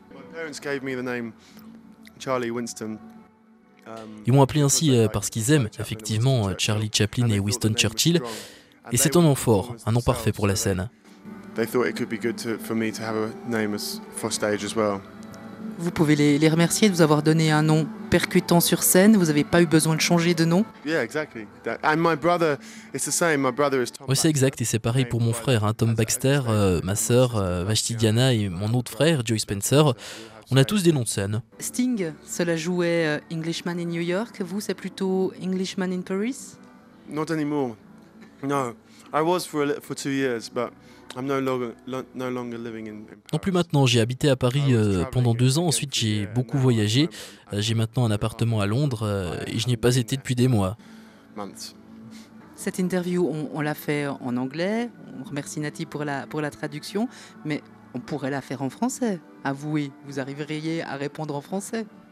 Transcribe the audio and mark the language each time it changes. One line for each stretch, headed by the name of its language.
English: My parents gave me the name Charlie Winston.
French: Ils m'ont appelé ainsi parce qu'ils aiment, effectivement, Charlie Chaplin et Winston Churchill. Et c'est un nom fort, un nom parfait pour la scène. Vous pouvez les remercier de vous avoir donné un nom percutant sur scène. Vous n'avez pas eu besoin de changer de nom. Oui, c'est exact. Et c'est pareil pour mon frère, hein, Tom Baxter, ma sœur, Vashti Diana et mon autre frère, Joey Spencer. On a tous des noms de scène. Sting, cela jouait Englishman in New York. Vous, c'est plutôt Englishman in Paris?
English: Not anymore. No. I was for 2 years, but I'm no longer living in Paris.
French: Non plus maintenant, j'ai habité à Paris pendant 2 ans. Ensuite, j'ai beaucoup voyagé. J'ai maintenant un appartement à Londres et je n'y ai pas été depuis des mois. Cette interview, on l'a fait en anglais. On remercie Nati pour la traduction. Mais on pourrait la faire en français. Avouez, vous arriveriez à répondre en français.